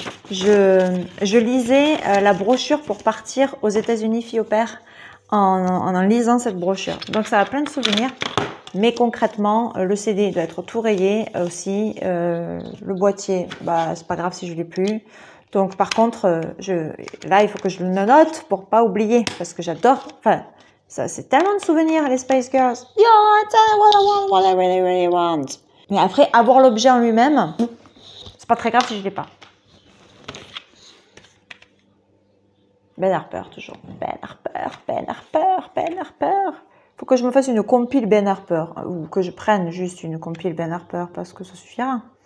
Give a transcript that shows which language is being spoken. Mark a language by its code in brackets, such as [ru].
[fr] Je lisais la brochure pour partir aux États-Unis fille au père en lisant cette brochure. Donc ça a plein de souvenirs. Mais concrètement, le CD doit être tout rayé aussi. Le boîtier, bah c'est pas grave si je l'ai plus. Donc par contre, là il faut que je le note pour pas oublier parce que j'adore. Enfin, ça c'est tellement de souvenirs les Spice Girls. [en] Yo, I tell you what I want, what I really, really want. [fr] Mais après avoir l'objet en lui-même, c'est pas très grave si je l'ai pas. Ben Harper, toujours. Ben Harper, Ben Harper, Ben Harper. Faut que je me fasse une compile Ben Harper. Ou que je prenne juste une compile Ben Harper parce que ça suffira.